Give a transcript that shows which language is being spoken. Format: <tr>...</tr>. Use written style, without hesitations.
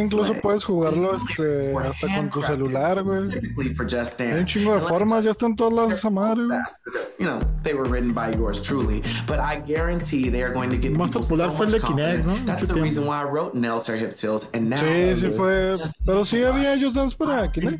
<es>Sí, incluso puedes jugarlo hasta con tu celular, güey. Hay un chingo de formas, ya están todas las esa madre, güey.</es> <en>You know, they were written by yours truly, but I guarantee they are going to get people so much confidence. That's the reason why I wrote Nails, Hair, Hips, Heels, and now</en> <es>sí fue, pero sí había ellos dance para Kinect.</es>